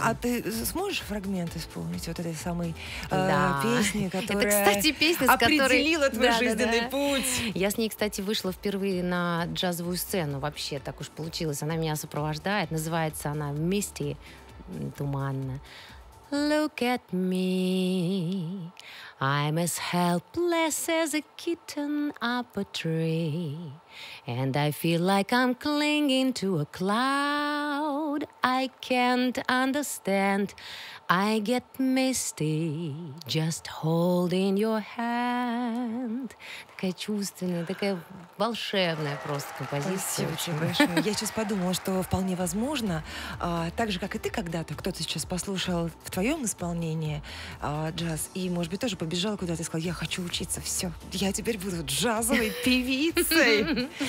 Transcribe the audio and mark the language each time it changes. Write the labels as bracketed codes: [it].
[ru] А ты сможешь фрагмент исполнить вот этой самой песни, которая определила твой жизненный путь? Я с ней, кстати, вышла впервые на джазовую сцену вообще, так уж получилось. Она меня сопровождает, называется она «Мисти туманно». [en] Look at me, I'm as helpless as a kitten up a tree, and I feel like I'm clinging to a cloud. I can't understand, I get misty just holding your hand. [ru] Такая чувственная, такая волшебная просто композиция. Спасибо очень большое. Я сейчас подумала, что вполне возможно, так же, как и ты когда-то, кто-то сейчас послушал в твоем исполнении джаз, и, может быть, тоже побежал куда-то и сказал, я хочу учиться, все, я теперь буду джазовой певицей.